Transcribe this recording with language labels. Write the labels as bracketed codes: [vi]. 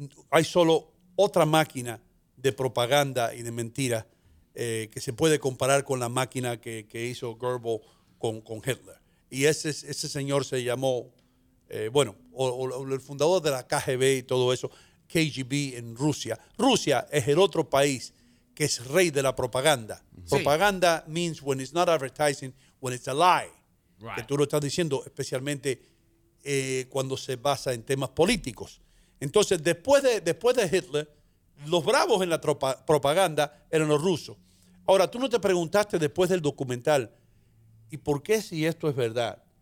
[es] Hay solo otra máquina de propaganda y de mentira que se puede comparar con la máquina que hizo Goebbels con Hitler. Y ese señor se llamó, el fundador de la KGB y todo eso, KGB en Rusia. Rusia es el otro país que es rey de la propaganda. Sí. [en] Propaganda means when it's not advertising, when it's a lie. Right. [es] Que tú lo estás diciendo especialmente cuando se basa en temas políticos. Entonces, después de Hitler, los bravos en la propaganda eran los rusos. Ahora, tú no te preguntaste después del documental, ¿y por qué si esto es verdad?